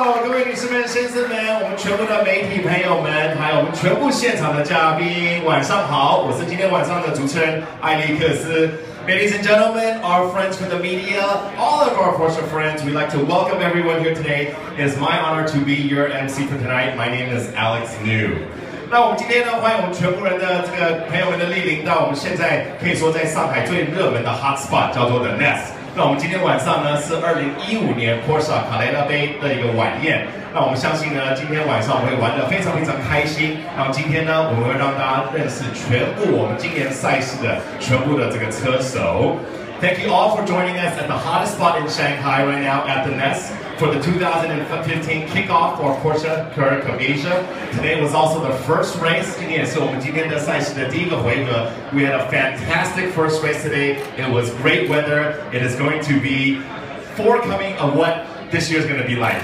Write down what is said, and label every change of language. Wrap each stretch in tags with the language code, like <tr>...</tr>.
<zh>位女士们、先生们，我们全部的媒体朋友们，还有我们全部现场的嘉宾，晚上好！我是今天晚上的主持人艾利克斯。</zh> <en>Ladies and gentlemen, our friends from the media, all of our Forster friends, we'd like to welcome everyone here today. It's my honor to be your MC for tonight. My name is Alex New.</en> <zh>那我们今天呢，欢迎我们全部人的这个朋友们的莅临到我们现在可以说在上海最热门的 hot spot 叫做 The Nest。那我们今天晚上呢是2015年 Porsche Carrera Bay 的一个晚宴。那我们相信呢，今天晚上我会玩得非常非常开心。那么今天呢，我们会让大家认识全部我们今年赛事的全部的这个车手。</zh> <en>Thank you all for joining us at the hottest spot in Shanghai right now at the Nest for the 2015 kickoff for Porsche Carrera Asia. Today was also the first race.</en> <zh>今天也是我们今天的赛事的第一个回合。</zh> <en>We had a fantastic first race today. It was great weather. It is going to be forthcoming of what this year is going to be like.</en>